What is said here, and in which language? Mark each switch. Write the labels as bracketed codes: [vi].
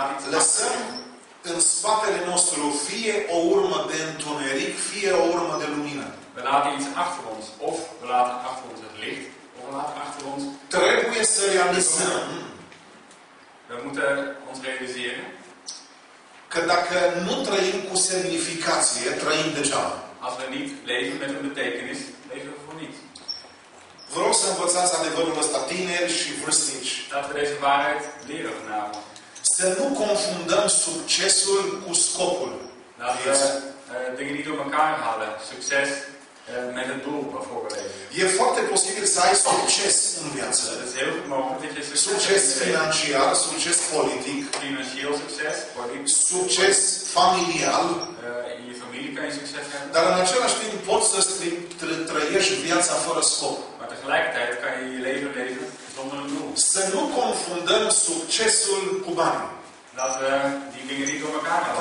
[ro] Lăsăm în spatele nostru fie o urmă de întuneric, fie o urmă de lumină. [nl] We laten iets achter ons, of we laten achter ons het licht, of we laten achter ons. [ro] Trebuie să realizăm. [nl] We moeten ons realiseren. [ro] Că dacă nu trăim cu semnificație, trăim degeaba. [nl] Als we niet leven met een betekenis, leven we voor niets. [ro] Vreau să învățați adevărul ăsta, tineri și vârstnici. [nl] Dat we deze waarheid leren vanavond. [ro] Să nu confundăm succesul cu scopul. [nl] Dat we dingen niet door elkaar halen. Succes. Met een doel bijvoorbeeld. [ro] E foarte posibil să ai succes în viață. Succes financiar, succes politic. [nl] Financieel succes, politic. [ro] Succes familial. În familie [nl] kan je succes hebben. [ro] Dar în același timp poți să trăiești viața fără scop. [nl] Maar tegelijkertijd kan je je leven leven zonder een doel. [ro] Să nu confundăm succesul cu banii. [nl] Dat we die dingen niet door elkaar halen.